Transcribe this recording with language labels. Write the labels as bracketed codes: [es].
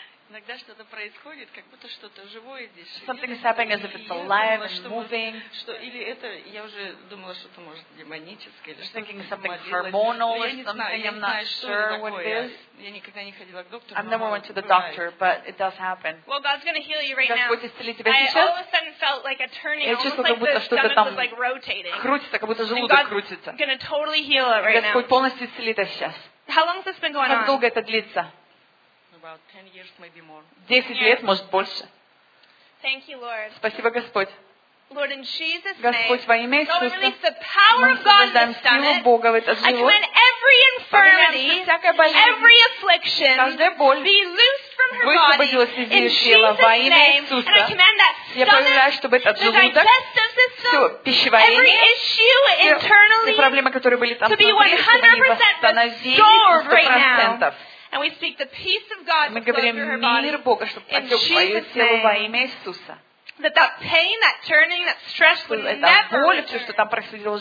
[ru] Иногда что-то происходит, как будто что-то живое здесь. [en] Something is happening as if it's alive and moving. [ru] Что или это? Я уже думала, что-то может демоническое или что-то. [en] Thinking something hormonal or something. I'm not sure what it is. [ru] Я никогда не ходила к доктору. [en] I've never went to the doctor, but it does happen. Well, God's going to heal you right now. [ru] Господь исцелит тебя сейчас. [en] I all of a sudden felt like a turning, almost like the stomach was like rotating. [ru] Крутится, как будто желудок крутится. [en] God's going to totally heal it right now. [ru] Господь полностью исцелит тебя сейчас. [en] How long has this been going on? [ru] Как долго это длится? [en] About 10 years, maybe more. [ru] 10 лет, может, больше. [en] Thank you, Lord. [ru] Спасибо, Господь. [en] Lord, in Jesus' name. [ru] Господь, во имя Иисуса. [en] Release the power of God in this stomach. [ru] Силу Бога в этот живот. [en] I command every infirmity, every affliction, be loosed from her body. [ru] Высвободилась из ее тела во имя Иисуса. [en] And I command that stomach, [ru] я повелеваю, чтобы этот желудок, все пищеварение, все проблемы, которые были там, чтобы они восстановились 100%. [en] And we speak the peace of God to flow through her body in Jesus' name. That pain, that turning, that stress would never return.